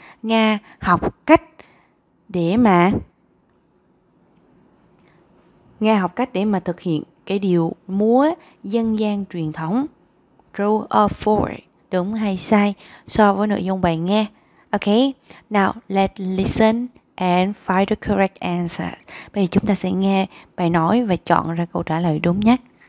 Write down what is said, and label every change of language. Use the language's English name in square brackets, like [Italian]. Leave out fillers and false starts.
[Vietnamese] Nga học cách để mà thực hiện cái điều múa dân gian truyền thống. [English] True or false, [Vietnamese] đúng hay sai so với nội dung bài nghe. [English] Okay, now let's listen and find the correct answer. [Vietnamese] Bây giờ chúng ta sẽ nghe bài nói và chọn ra câu trả lời đúng nhất.